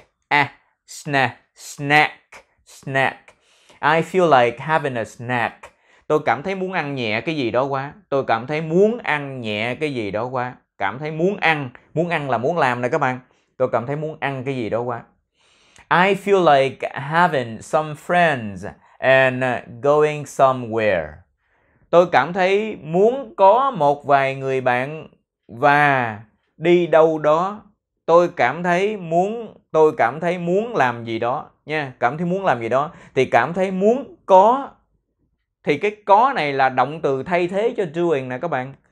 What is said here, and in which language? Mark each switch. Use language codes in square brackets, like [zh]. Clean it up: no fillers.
[en] A, snack, snack, snack. I feel like having a snack. [vi] Tôi cảm thấy muốn ăn nhẹ cái gì đó quá. Tôi cảm thấy muốn ăn nhẹ cái gì đó quá. Cảm thấy muốn ăn. Muốn ăn là muốn làm nè các bạn. Tôi cảm thấy muốn ăn cái gì đó quá. [en] I feel like having some friends and going somewhere. [vi] Tôi cảm thấy muốn có một vài người bạn và đi đâu đó. Tôi cảm thấy muốn. Tôi cảm thấy muốn làm gì đó. Nha. Cảm thấy muốn làm gì đó. Thì cảm thấy muốn có. Thì cái có này là động từ thay thế cho doing nè các bạn.